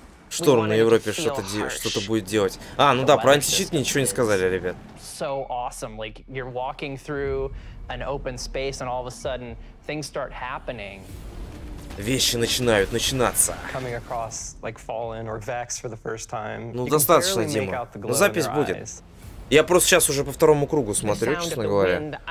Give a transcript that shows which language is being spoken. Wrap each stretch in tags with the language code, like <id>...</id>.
<ru>Шторм на Европе что-то что-то будет делать. А, ну да, про античит ничего не сказали, ребят.</ru> <en>So awesome, like you're walking through an open space and all of a sudden things start happening.</en> <ru>Вещи начинают начинаться.</ru> <en>Coming across like Fallen or Vex for the first time.</en> <ru>Ну достаточно, Дима. Ну запись будет. Я просто сейчас уже по второму кругу смотрю, честно говоря.</ru>